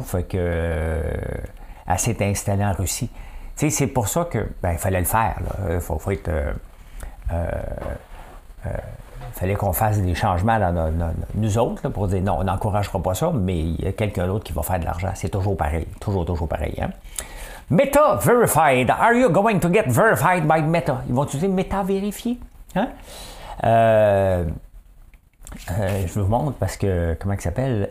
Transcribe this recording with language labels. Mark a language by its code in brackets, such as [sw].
[fr] Fait que elle s'est installée en Russie. Tu sais, c'est pour ça que, ben, fallait le faire, là. Fallait qu'on fasse des changements dans nous autres, là, pour dire non, on n'encouragera pas ça, mais il y a quelqu'un d'autre qui va faire de l'argent. C'est toujours pareil. Toujours pareil, hein? Meta verified. [en] Are you going to get verified by Meta? [fr] Ils vont utiliser Meta vérifié. Hein? Je vous montre parce que, comment il s'appelle?